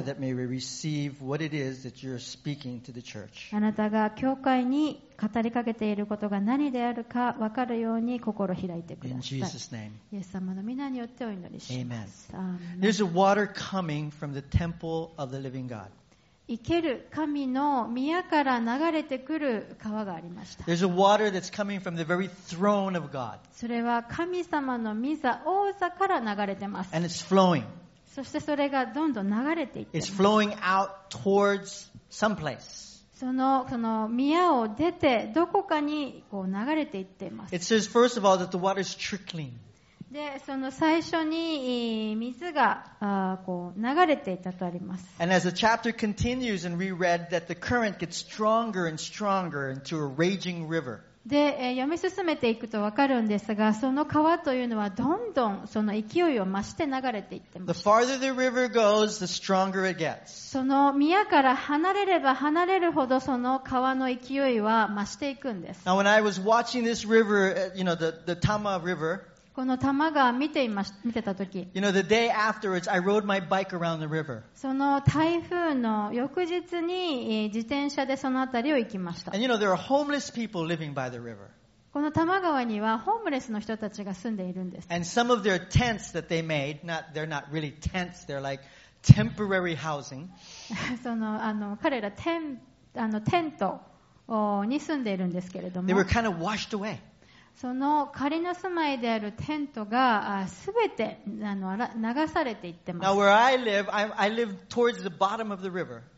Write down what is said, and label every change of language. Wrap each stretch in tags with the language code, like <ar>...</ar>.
<en>So that may we receive what it is that you're speaking to the church.</en> <ja>あなたが教会に語りかけていることが何であるか分かるように心開いてください。</ja> <en>In Jesus' name.</en> <ja>イエス様の皆によってお祈りします。</ja> <en>Amen. There's a water coming from the temple of the living God.</en> <ja>生ける神の宮から流れてくる川がありました。</ja> <en>There's a water that's coming from the very throne of God.</en> <ja>それは神様の御座、王座から流れてます。</ja> <en>And it's flowing.</en> <ja>そしてそれがどんどん流れていってます。</ja> <en>It's flowing out towards someplace.</en> <ja>その宮を出てどこかにこう流れていっています。</ja> <en>It says first of all that the water is trickling.</en> <ja>でその最初に水がこう流れていたとあります。</ja> <en>And as the chapter continues and we read that the current gets stronger and stronger into a raging river.</en> <ja>で読み進めていくと分かるんですが、その川というのはどんどんその勢いを増して流れていってます。</ja> <en>The farther the river goes, the stronger it gets.</en> <ja>その宮から離れれば離れるほどその川の勢いは増していくんです。</ja> <en>Now when I was watching this river, you know, the Tama River,</en> <ja>この玉が見てた時、</ja> <en>you know, the day afterwards, I rode my bike around the river.</en> <ja>その台風の翌日に自転車でその辺りを行きました。</ja> <en>And you know, there are homeless people living by the river.</en> <ja>この玉川にはホームレスの人たちが住んでいるんです。</ja> <en>And some of their tents that they made, they're not really tents, they're like temporary housing.</en> <ja>その、テントに住んでいるんですけれども。</ja> <en>They were kind of washed away.</en> <ja>その仮の住まいであるテントがすべて流されていってます。</ja> <en>Now where I live, I live towards the bottom of the river.</en>